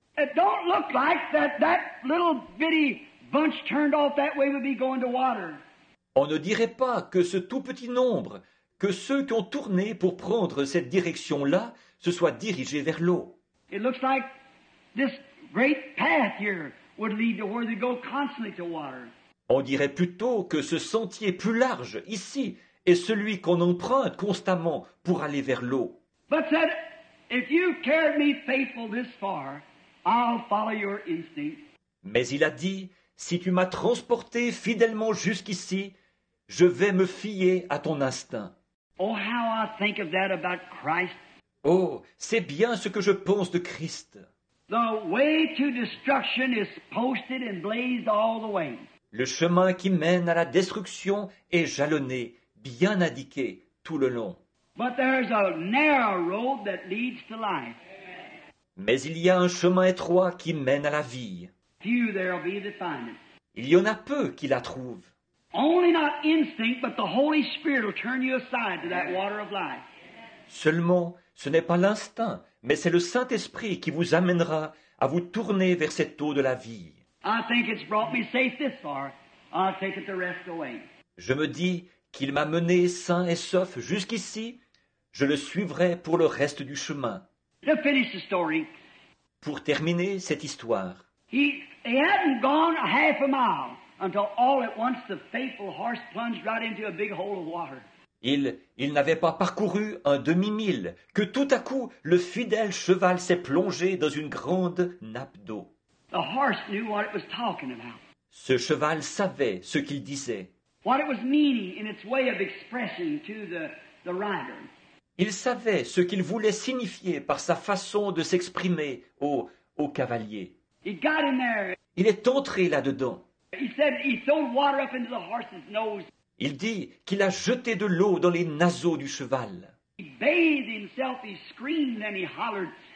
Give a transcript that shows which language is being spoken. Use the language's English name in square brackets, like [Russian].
[English] It don't look like that little bitty bunch turned off that way would be going to water. [French] On ne dirait pas que ce tout petit nombre, que ceux qui ont tourné pour prendre cette direction-là, se soient dirigés vers l'eau. [English] It looks like this great path here would lead to where they go constantly to water. [French] On dirait plutôt que ce sentier plus large ici est celui qu'on emprunte constamment pour aller vers l'eau. [English] But said, if you carried me faithful this far, I'll follow your instinct. [French] Mais il a dit, si tu m'as transporté fidèlement jusqu'ici, je vais me fier à ton instinct. [English] Oh, how I think of that about Christ. [French] Oh, c'est bien ce que je pense de Christ. [English] The way to destruction is posted and blazed all the way. [French] Le chemin qui mène à la destruction est jalonné, bien indiqué tout le long. [English] But there's a narrow road that leads to life. [French] Mais il y a un chemin étroit qui mène à la vie. [English] Few there'll be that find it. [French] Il y en a peu qui la trouvent. [English] Only not instinct, but the Holy Spirit will turn you aside to that water of life. [French] Seulement, ce n'est pas l'instinct, mais c'est le Saint-Esprit qui vous amènera à vous tourner vers cette eau de la vie. [English] I think it's brought me safe this far. I'll take it the rest away. [French] Je me dis qu'il m'a mené sain et sauf jusqu'ici, je le suivrai pour le reste du chemin. [English] To finish the story, [French] pour terminer cette histoire, [English] he hadn't gone a half a mile until all at once the faithful horse plunged right into a big hole of water. [French] Il n'avait pas parcouru un demi-mille que tout à coup le fidèle cheval s'est plongé dans une grande nappe d'eau. [English] The horse knew what it was talking about. [French] Ce cheval savait ce qu'il disait. [English] What it was meaning in its way of expressing to the rider. [French] Il savait ce qu'il voulait signifier par sa façon de s'exprimer au cavalier. [English] He got in there. [French] Il est entré là-dedans. [English] He said he threw water up into the horse's nose. [French] Il dit qu'il a jeté de l'eau dans les naseaux du cheval. [English] He bathed himself, he screamed and he hollered.